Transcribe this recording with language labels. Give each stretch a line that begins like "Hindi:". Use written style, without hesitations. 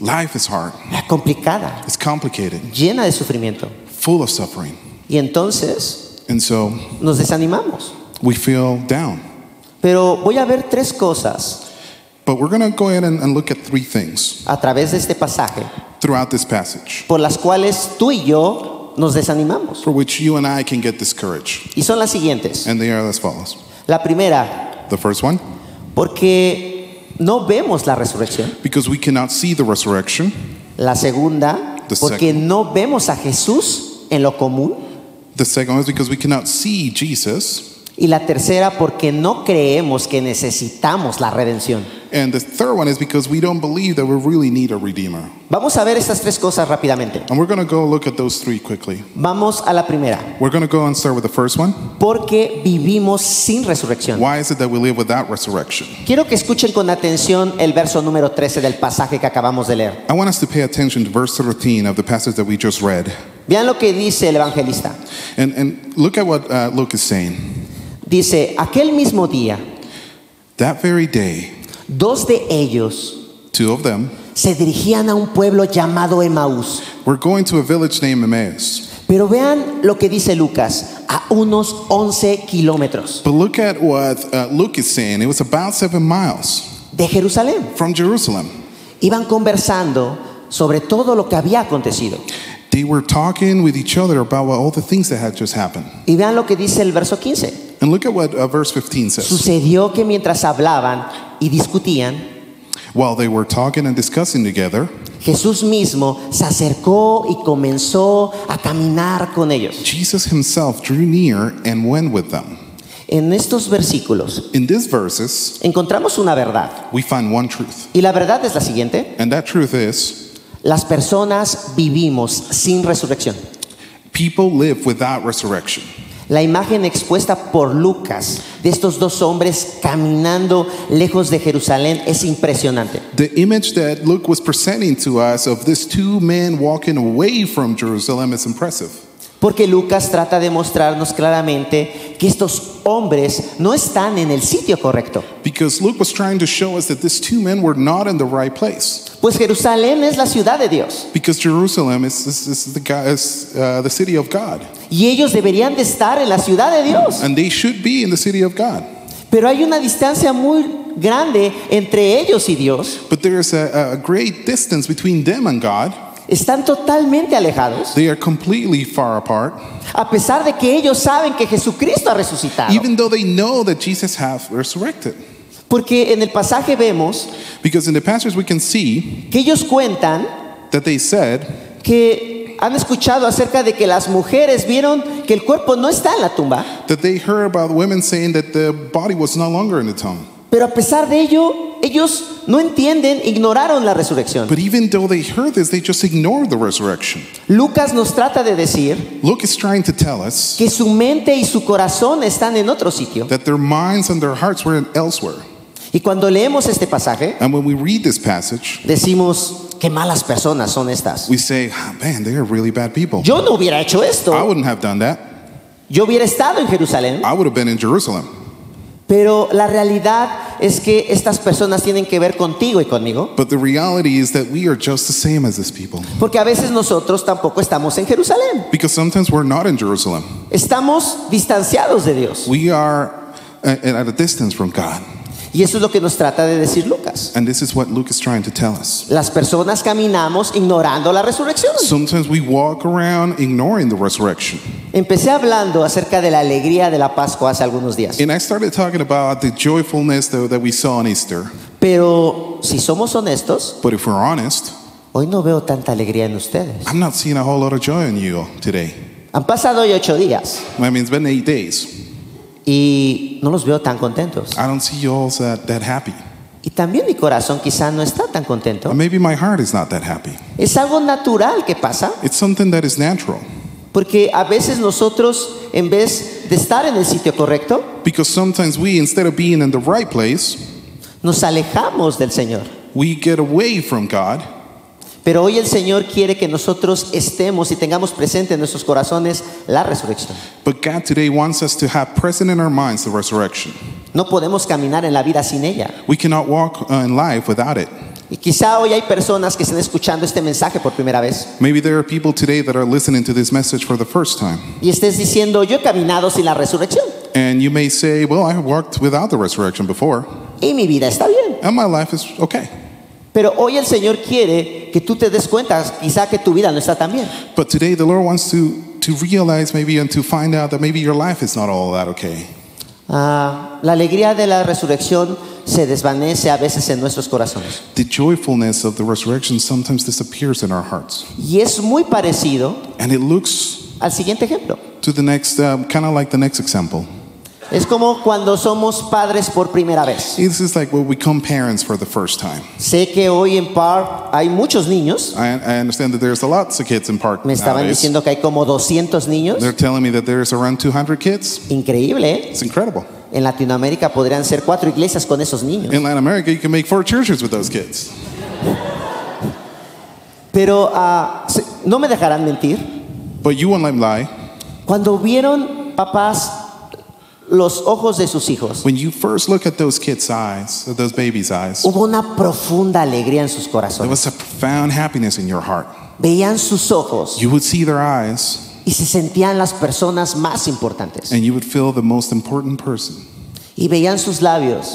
English: Life is hard.
Spanish: Complicada.
English: It's complicated.
Spanish: Llena de sufrimiento.
English: Full of suffering.
Spanish: Y entonces,
English: and so,
Spanish: nos desanimamos.
English: We feel down.
Spanish: Pero voy a ver tres cosas.
English: But we're going to go ahead and look at three things.
Spanish: A través de este pasaje.
English: Throughout this passage.
Spanish: Por las cuales tú y yo nos desanimamos.
English: For which you and I can get discouraged.
Spanish: Y son las siguientes.
English: And they are as follows.
Spanish: La primera.
English: The first one.
Spanish: Porque no vemos la resurrección.
English: Because we cannot see the resurrection.
Spanish: La segunda.
English: The
Spanish: porque
English: second.
Spanish: No vemos a Jesús en lo común.
English: The second is because we cannot see Jesus.
Spanish: Y la tercera porque no creemos que necesitamos la redención.
English: And the third one is because we don't believe that we really need a redeemer.
Spanish: Vamos a ver estas tres cosas rápidamente.
English: And we're going to go look at those three quickly.
Spanish: Vamos a la primera.
English: We're going to go and start with the first one.
Spanish: Porque vivimos sin resurrección.
English: Why is it that we live without resurrection?
Spanish: Quiero que escuchen con atención el verso número 13 del pasaje que acabamos de leer.
English: I want us to pay attention to verse 13 of the passage that we just read.
Spanish: Vean lo que dice el evangelista.
English: And look at what Luke is saying.
Spanish: Dice, aquel mismo día,
English: that very day,
Spanish: dos de ellos,
English: two of them,
Spanish: se dirigían a un pueblo llamado Emmaús.
English: We're going to a village named Emmaus.
Spanish: Pero vean lo que dice Lucas, a unos 11 kilómetros.
English: But look at what Luke is saying, it was about 7 miles.
Spanish: De Jerusalén.
English: From Jerusalem.
Spanish: Iban conversando sobre todo lo que había acontecido.
English: They were talking with each other about all the things that had just happened.
Spanish: Y vean lo que dice el verso 15.
English: And look at what verse 15 says.
Spanish: Sucedió que mientras hablaban y discutían,
English: while they were talking and discussing together,
Spanish: Jesús mismo se acercó y comenzó a caminar con ellos.
English: Jesus himself drew near and went with them.
Spanish: En estos versículos,
English: in these verses,
Spanish: encontramos una verdad.
English: We find one truth.
Spanish: Y la verdad es la siguiente.
English: And that truth is,
Spanish: las personas vivimos sin resurrección.
English: People live without resurrection.
Spanish: La imagen expuesta por Lucas de estos dos hombres caminando lejos de Jerusalén es impresionante.
English: The image that Luke was presenting to us of these two men walking away from Jerusalem is impressive.
Spanish: Porque Lucas trata de mostrarnos claramente que estos hombres no están en el sitio correcto.
English: Because Luke was trying to show us that these two men were not in the right place.
Spanish: Pues Jerusalén es la ciudad de Dios.
English: Because Jerusalem is the city of God.
Spanish: Y ellos deberían de estar en la ciudad de Dios.
English: And they should be in the city of God.
Spanish: Pero hay una distancia muy grande entre ellos y Dios.
English: But there is a great distance between them and God.
Spanish: Están totalmente alejados.
English: They are completely far apart.
Spanish: A pesar de que ellos saben que Jesucristo ha resucitado.
English: Even though they know that Jesus has resurrected.
Spanish: Porque en el pasaje vemos.
English: Because in the passage we can see.
Spanish: Que ellos cuentan.
English: That they said.
Spanish: Que han escuchado acerca de que las mujeres vieron que el cuerpo no está en la tumba.
English: That they heard about women saying that the body was no longer in the tomb.
Spanish: Pero a pesar de ello, ellos no entienden, ignoraron la resurrección.
English: But even though they heard this, they just ignored the resurrection.
Spanish: Lucas nos trata de decir,
English: Luke is trying to tell us,
Spanish: que su mente y su corazón están en otro sitio.
English: That their minds and their hearts were elsewhere.
Spanish: Y cuando leemos este pasaje,
English: and when we read this passage,
Spanish: decimos, qué malas personas son estas.
English: We say, man, they are really bad people.
Spanish: Yo no hubiera hecho esto.
English: I wouldn't have done that.
Spanish: Yo hubiera estado en Jerusalén.
English: I would have been in Jerusalem.
Spanish: Pero la realidad es que estas personas tienen que ver contigo y conmigo.
English: But the reality is that we are just the same as these people.
Spanish: Porque a veces nosotros tampoco estamos en Jerusalén.
English: Because sometimes we're not in Jerusalem.
Spanish: Estamos distanciados de Dios.
English: We are at a distance from God.
Spanish: Y eso es lo que nos trata de decir Lucas.
English: And this is what Luke is trying to tell us.
Spanish: Las personas caminamos ignorando la resurrección.
English: Sometimes we walk around ignoring the resurrection.
Spanish: Empecé hablando acerca de la alegría de la Pascua hace algunos días.
English: And I started talking about the joyfulness that we saw on Easter.
Spanish: Pero si somos honestos,
English: but if we're honest,
Spanish: hoy no veo tanta alegría en ustedes.
English: I'm not seeing a whole lot of joy in you today.
Spanish: Han pasado hoy 8 días.
English: I mean, it's been 8 days.
Spanish: Y no los veo tan contentos.
English: I don't see you all that happy.
Spanish: Y también mi corazón quizá no está tan contento.
English: Maybe my heart is not that happy.
Spanish: Es algo natural que pasa.
English: It's something that is natural.
Spanish: Porque a veces nosotros, en vez de estar en el sitio correcto,
English: because sometimes we, instead of being in the right place,
Spanish: nos alejamos del Señor.
English: We get away from God.
Spanish: Pero hoy el Señor quiere que nosotros estemos y tengamos presente en nuestros corazones la resurrección.
English: But God today wants us to have present in our minds the resurrection.
Spanish: No podemos caminar en la vida sin ella.
English: We cannot walk in life without it.
Spanish: Y quizá hoy hay personas que estén escuchando este mensaje por primera vez.
English: Maybe there are people today that are listening to this message for the first time.
Spanish: Y estés diciendo, yo he caminado sin la resurrección.
English: And you may say, well, I have walked without the resurrection before.
Spanish: Y mi vida está bien.
English: And my life is okay.
Spanish: Pero hoy el Señor quiere que tú te des cuenta, quizá que tu vida no está tan bien.
English: But today the Lord wants to realize maybe and to find out that maybe your life is not all that okay.
Spanish: La alegría de la resurrección se desvanece a veces en nuestros corazones.
English: The joyfulness of the resurrection sometimes disappears in our hearts.
Spanish: Y es muy parecido.
English: And it looks
Spanish: al siguiente ejemplo.
English: To the next, kind of like the next example.
Spanish: Es como cuando somos padres por primera vez.
English: This is like when we become parents for the first time.
Spanish: Sé que hoy en Park hay muchos niños.
English: I understand that there's a lot of kids in Park.
Spanish: Me estaban
English: nowadays
Spanish: diciendo que hay como 200 niños.
English: They're telling me that there's around 200 kids.
Spanish: Increíble.
English: It's incredible.
Spanish: En Latinoamérica podrían ser 4 iglesias con esos niños.
English: In Latin America, you can make 4 churches with those kids.
Spanish: Pero no me dejarán mentir.
English: But you won't let me lie.
Spanish: Cuando vieron papás los ojos de sus hijos,
English: when you first look at those kids' eyes, those babies' eyes,
Spanish: hubo una profunda alegría en sus corazones.
English: There was a profound happiness in your heart.
Spanish: Veían sus ojos.
English: You would see their eyes.
Spanish: Y se sentían las personas más importantes.
English: And you would feel the most important person.
Spanish: Y veían sus labios.